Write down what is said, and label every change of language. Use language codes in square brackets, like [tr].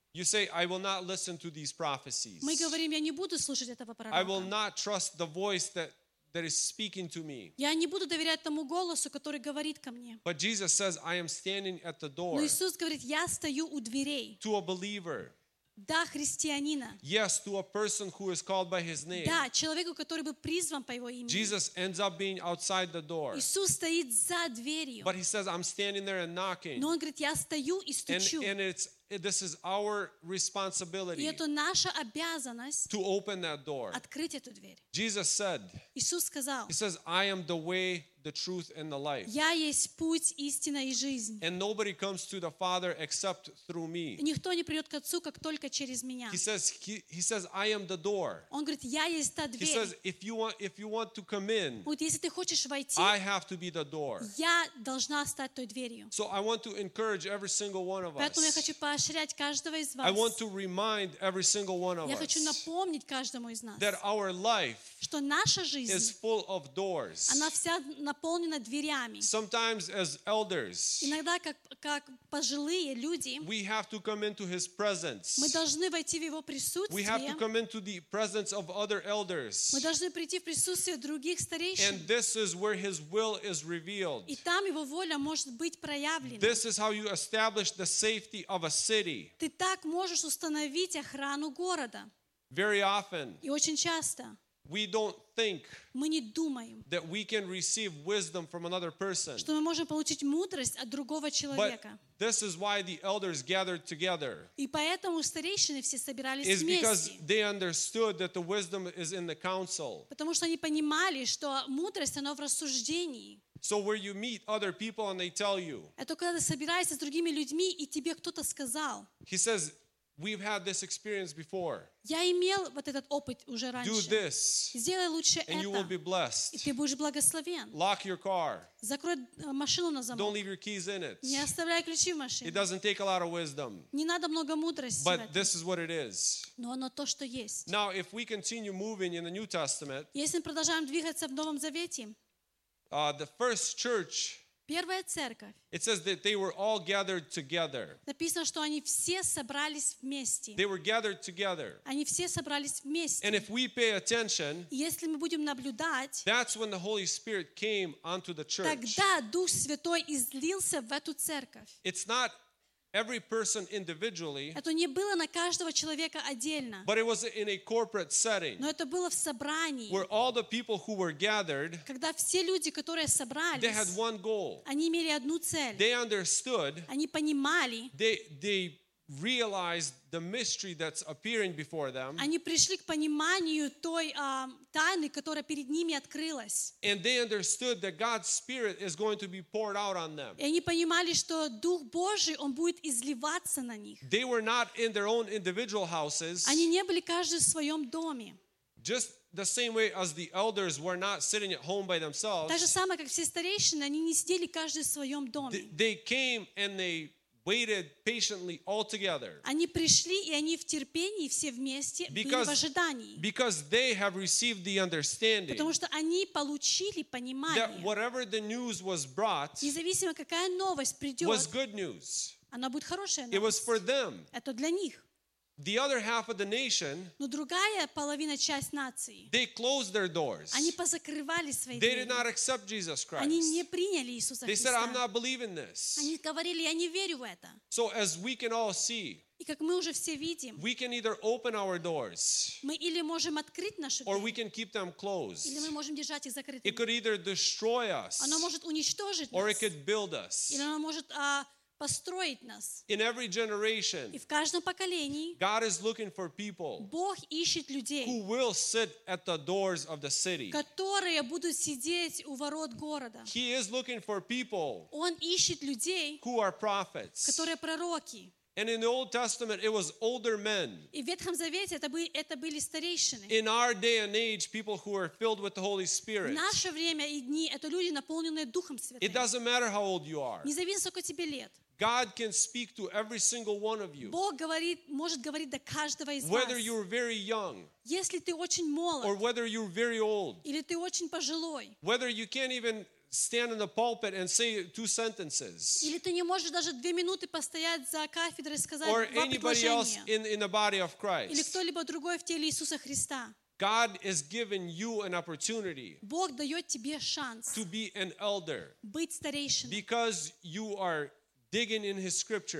[en] you say, I will not listen to these prophecies. [ru] Мы говорим, я не буду слушать этого пророка. [en] I will not trust the voice that is speaking to me. [ru] Я не буду доверять тому голосу, который говорит ко мне. [en] But Jesus says, I am standing at the door. [ru] Но Иисус говорит, я стою у дверей. [en] To a believer. [ru] Да, христианина. [en] Yes, to a person who is called by his name. [ru] Да, человеку, который был призван по его имени. [en] Jesus ends up being outside the door. [ru] Иисус стоит за дверью. [en] But he says, I'm standing there and knocking. [ru] Но он говорит, я стою и стучу. [en] And this is our responsibility. [ru] И это наша обязанность. [en] To open that door. [ru] Открыть эту дверь. [en] Jesus said. [ru] Иисус сказал. [en] He says, I am the way, the truth, and the life. [ru] Я есть путь, истина и жизнь. [en] And nobody comes to the Father except through me. [ru] Никто не придет к Отцу, как только через меня. [en] He says, I am the door. [ru] Он говорит, я есть та дверь. [en] He says, if you want to come in, [ru] вот если ты хочешь войти, [en] I have to be the door. [ru] Я должна стать той дверью. [en] So I want to encourage every single one of us. [ru] Поэтому я хочу поощрять каждого из вас. [en] I want to remind every single one of us. [ru] Я хочу напомнить каждому из нас. [en] That our life, [ru] что наша жизнь, [en] is full of doors. [ru] Она вся наполнена дверями. [en] Sometimes as elders, [ru] иногда как пожилые люди, [en] we have to come into his presence. [ru] Мы должны войти в его присутствие. [en] We have to come into the presence of other elders. [ru] Мы должны прийти в присутствие других старейшин. [en] And this is where his will is revealed. [ru] И там его воля может быть проявлена. [en] This is how you establish the safety of a city. [ru] Ты так можешь установить охрану города. [en] Very often. [ru] И очень часто. [en] We don't think [ru] мы не думаем, [en] that we can receive wisdom from another person. [ru] Что мы можем получить мудрость от другого человека. [en] But this is why the elders gathered together. [ru] И поэтому старейшины все собирались вместе. [en] It's because they understood that the wisdom is in the council. [ru] Потому что они понимали, что мудрость она в рассуждении. [en] So where you meet other people and they tell you. [ru] Это когда ты собираешься с другими людьми и тебе кто-то сказал. [en] He says, we've had this experience before. [ru] Я имел вот этот опыт уже раньше. [en] Do this. [ru] Сделай лучше это. [en] And you will be blessed. [ru] И ты будешь благословен. [en] Lock your car. [ru] Закрой машину на замок. [en] Don't leave your keys in it. [ru] Не оставляй ключи в машине. [en] It doesn't take a lot of wisdom. [ru] Не надо много мудрости. [en] But this is what it is. [ru] Но оно то, что есть. [en] Now, if we continue moving in the New Testament, [ru] если мы продолжаем двигаться в Новом Завете, [en] the first church. [ru] Первая церковь. [en] It says that they were all gathered together. [ru] Написано, что они все собрались вместе. [en] They were gathered together. [ru] Они все собрались вместе. [en] And if we pay attention, [ru] если мы будем наблюдать, [en] that's when the Holy Spirit came onto the church. [ru] Тогда Дух Святой излился в эту церковь. [en] It's not every person individually. [ru] Это не было на каждого человека отдельно. [en] But it was in a corporate setting. [ru] Но это было в собрании. [en] Where all the people who were gathered. [ru] Когда все люди, которые собрались. [en] They had one goal. [ru] Они имели одну цель. [en] They understood. [ru] Они понимали. [en] They realized the mystery that's appearing before them. [ru] Они пришли к пониманию той тайны, которая перед ними открылась. [en] And they understood that God's Spirit is going to be poured out on them. [ru] И они понимали, что Дух Божий, он будет изливаться на них. [en] They were not in their own individual houses. [ru] Они не были каждый в своем доме. [en] Just the same way as the elders were not sitting at home by themselves. [ru] Та же самая, как все старейшины, они не сидели каждый в своем доме. [en] They came and they waited patiently all together. [ru] Они пришли и они в терпении все вместе были в ожидании. [en] Because they have received the understanding. [ru] Потому что они получили понимание. [en] That whatever the news was brought, [ru] независимо какая новость придет, [en] was good news. [ru] Она будет хорошая новость. [en] It was for them. [ru] Это для них. [en] The other half of the nation, [ru] но другая половина часть нации, [en] they closed their doors. [ru] Они позакрывали свои двери. [en] They did not accept Jesus Christ. [ru] Они не приняли Иисуса [en] they [ru] Христа. [en] They said, "I'm not believing this." [ru] Они говорили, я не верю в это. [en] So as we can all see, [ru] и как мы уже все видим, [en] we can either open our doors, [ru] мы или можем открыть наши двери, [en] or we can keep them closed. [ru] Или мы можем держать их закрытыми. [en] It could either destroy us, [ru] оно может уничтожить [en] or [ru] нас, [en] it could build us, [ru] или оно может построить нас. [en] In every generation, [ru] и в каждом поколении [en] God is looking for people, [ru] Бог ищет людей, [en] who will sit at the doors of the city. [ru] Которые будут сидеть у ворот города. [en] He is looking for people, [ru] Он ищет людей, [en] who are prophets, [ru] которые пророки. [en] And in the Old Testament, it was older men. [ru] И в Ветхом Завете это были старейшины. [en] In our day and age, people who are filled with the Holy Spirit. [ru] В наше время и дни это люди, наполненные Духом Святым. [en] It doesn't matter how old you are. [ru] Независимо, сколько тебе лет. [en] God can speak to every single one of you. [ru] Бог говорит, может говорить до каждого из вас. [en] Whether you're very young. [ru] Если ты очень молод. [en] Or whether you're very old. [ru] Или ты очень пожилой. [en] Whether you can't even stand in the pulpit and say two sentences. [ru] Или ты не можешь даже две минуты постоять за кафедрой и сказать два предложения. [en] Or anybody else in the body of Christ. [ru] Или кто-либо другой в теле Иисуса Христа. [en] God has given you an opportunity. [ru] Бог дает тебе шанс. [en] To be an elder. [ru] Быть старейшиной. [en] Because you are digging in His Scripture.